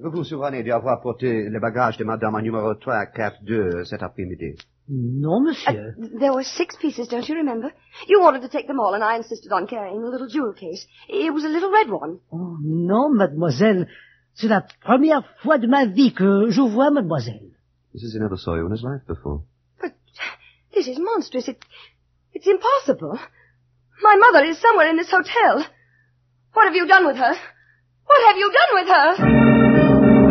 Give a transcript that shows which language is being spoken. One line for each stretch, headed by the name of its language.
French: Vous vous souvenez d'avoir porté le bagage de madame à numéro 3, cap 2, cet après-midi? Non, monsieur.
English: There were 6 pieces, don't you remember? You wanted to take them all, and I insisted on carrying the little jewel case. It was a little red one.
French: Oh, non, mademoiselle. C'est la première fois de ma vie que je vois mademoiselle.
English: This is, he never saw you in his life before. But this is monstrous. It's impossible. My mother is somewhere in this hotel. What have you done with her? What have you done with her?